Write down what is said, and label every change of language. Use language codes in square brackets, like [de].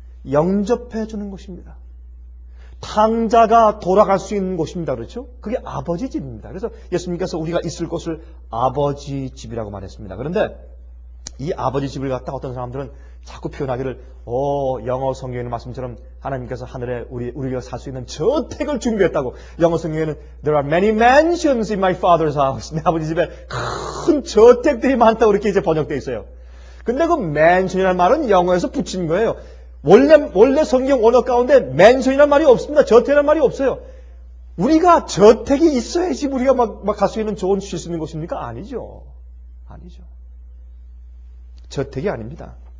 [ko] 영접해 주는 곳입니다. 탕자가 돌아갈 수 있는 곳입니다. 그렇죠? 그게 아버지 집입니다. 그래서 예수님께서 우리가 있을 곳을 아버지 집이라고 말했습니다. 그런데 이 아버지 집을 갖다 어떤 사람들은 자꾸 표현하기를 영어 성경에는 말씀처럼 하나님께서 하늘에 우리가 살 수 있는 저택을 준비했다고. 영어 성경에는 [en] There are many mansions in my father's house. [ko] 내 아버지 집에 큰 저택들이 많다고 이렇게 이제 번역되어 있어요. 근데 그 mansion이라는 말은 영어에서 붙인 거예요. 원래 성경 원어 가운데 mansion이라는 말이 없습니다. 저택이라는 말이 없어요. 우리가 저택이 있어야지 우리가 막 갈 수 있는 좋은 쉴 수 있는 곳입니까? 아니죠. 아니죠. 저택이 아닙니다.